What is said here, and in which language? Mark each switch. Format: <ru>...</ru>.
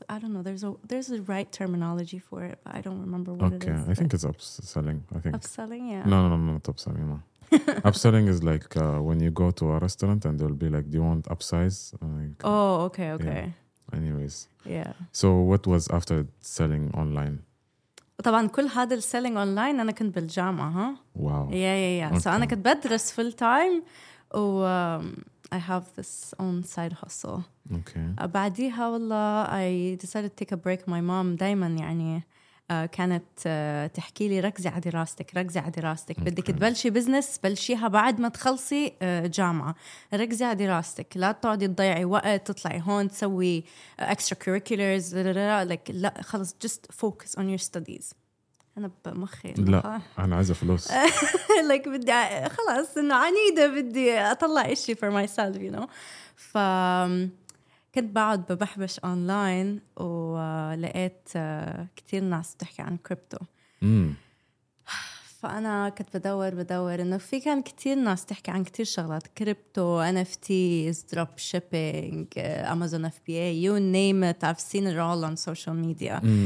<en>I don't know, there's a right terminology for it, but I don't remember what. Okay, it is. Okay, I think it's upselling. I think upselling. Yeah, no, not upselling. No. Upselling is like when you go to a restaurant and they'll be like, do you want upsize? Like, oh, okay. Yeah. Anyways. Yeah. So what was after selling online?</en> <ar>طبعاً كل هذا</ar> <en>selling online</en> <ar>أنا كنت بالجامعة, huh?</ar> <en>Wow. Yeah. Okay. So</en> <ar>أنا كنت بدرس</ar> <en>full time and I have this own side hustle. Okay.</en> <ar>بعديها والله</ar> <en>I decided to take a break. My mom</en> <ar>دايماً يعني كانت تحكي لي ركزي على دراستك ركزي على دراستك بدك تبلشي بزنس بلشيها بعد ما تخلصي جامعة ركزي على دراستك لا تقعدي تضيعي وقت تطلعي هون تسوي</ar> <en>extra curriculars</en> <ar>like لا خلص</ar> <en>just focus on your studies.</en> <ar>أنا بمخي لا أنا عايزة فلوس like بدي خلاص إنه عنيدة بدي أطلع إشي</ar> <en>for myself you know.</en> <ar>ف كنت بعد ببحبش أونلاين ولقيت كتير ناس بتحكي عن كريبتو فأنا كنت بدور إنه في كان كتير ناس تحكي عن كتير شغلات كريبتو NFTs drop shipping Amazon FBA</ar> <en>you name it I've seen it all on social media</en>